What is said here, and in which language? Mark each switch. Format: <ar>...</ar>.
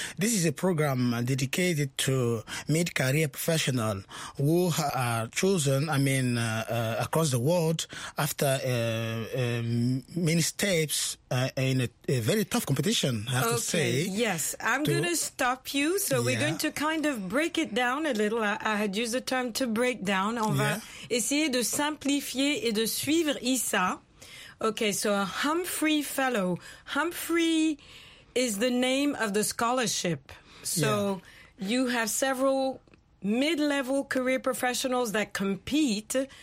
<en>This is a program dedicated to mid-career professionals who are chosen, across the world after many steps in a very tough competition, I have okay. to say. Yes, I'm going to stop you. So yeah. We're going to kind of break it down a little. I had used the term to break down.</en> <fr>On va essayer de simplifier et de suivre Issa.</fr> <en>Okay, so a Humphrey Fellow. Humphrey is the name of the scholarship. So you have several mid-level career professionals that compete.</en>